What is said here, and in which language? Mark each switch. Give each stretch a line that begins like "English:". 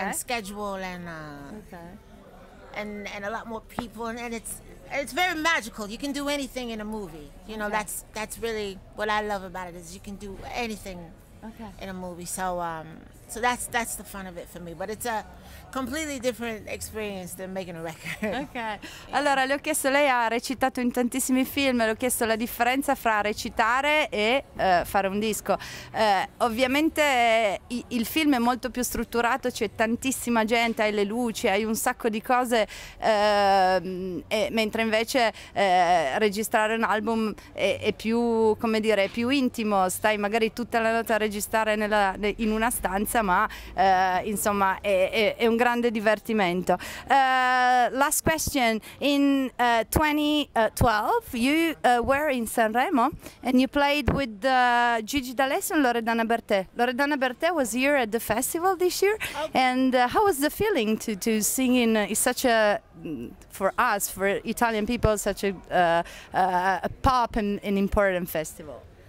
English: And schedule and and a lot more people, and it's very magical. You can do anything in a movie. You know, that's really what I love about it, is you can do anything. Okay. In a movie, so that's the fun of it for me, but it's a completely different experience than making a record. Okay. Yeah.
Italian: Allora, le ho chiesto, lei ha recitato in tantissimi film, le ho chiesto la differenza fra recitare e fare un disco. Ovviamente il film è molto più strutturato, c'è tantissima gente, hai le luci, hai un sacco di cose, mentre invece registrare un album è più, come dire, è più intimo, stai magari tutta la notte a registrare in una stanza. pista, ma insomma è un grande divertimento.
English: Last question: in 2012 you were in Sanremo and you played with Gigi D'Alessio and Loredana Bertè. Loredana Bertè was here at the festival this year, and how was the feeling to sing in such a, for us, for Italian people, such a pop and an important festival?